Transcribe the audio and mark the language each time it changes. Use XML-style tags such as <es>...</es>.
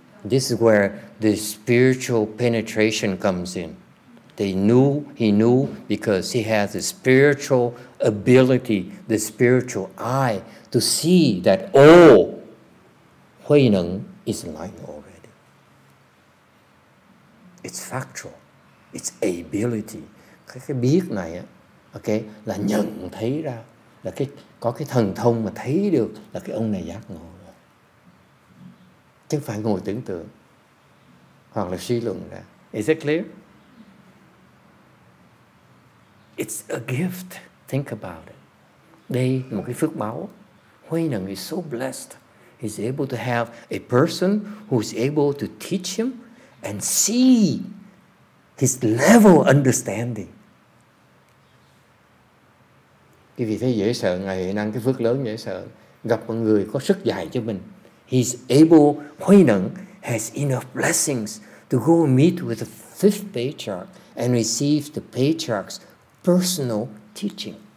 <en>This is where the spiritual penetration comes in. He knew because he has the spiritual ability, the spiritual eye to see that HuiNeng is enlightened already. It's factual. It's ability.</en> <vi>Cái biết này á, okay, là nhận thấy ra, là cái có cái thần thông mà thấy được là cái ông này giác ngộ rồi. Chứ phải ngồi tưởng tượng hoặc là suy luận ra.</vi> <en>Is it clear? It's a gift. Think about it.</en> <vi>Đây là một cái phước báo.</vi> <en>HuiNeng is so blessed. He's able to have a person who's able to teach him and see his level of understanding.</en> <vi>Cái vị thấy dễ sợ, Ngài hiện năng cái phước lớn dễ sợ. Gặp một người có sức dạy cho mình.</vi> <en>He's able, HuiNeng has enough blessings to go and meet with the fifth patriarch and receive the patriarch's personal teaching.</en>